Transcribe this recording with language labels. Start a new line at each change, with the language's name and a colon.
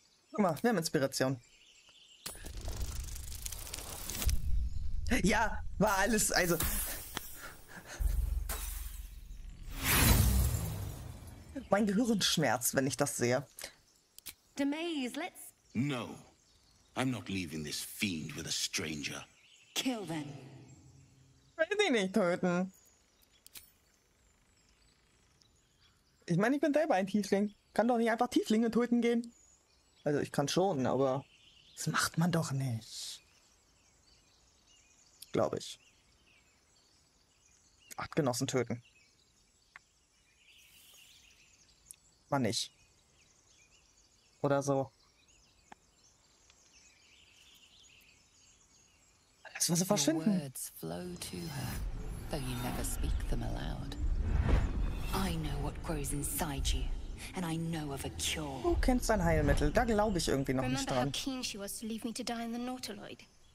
German: Guck mal, wir haben Inspiration. Ja, war alles, also. Mein Gehirn schmerzt, wenn ich das sehe.
English: Demaze, let's No. I'm not leaving this fiend with a stranger. Kill them.
German: Ich will sie nicht töten. Ich meine, ich bin selber ein Tiefling. Kann doch nicht einfach Tieflinge töten gehen. Also ich kann schon, aber das macht man doch nicht. Glaube ich. Artgenossen töten. Mann, nicht. Oder so. Lass mal sie verschwinden.
English: Words flow to her, though you never speak them aloud. I know what grows inside you, and I know of a cure.
German: Du kennst ein Heilmittel, da glaube ich irgendwie noch nicht dran.
English: Remember how keen she was to leave me to die in the Nautiloid.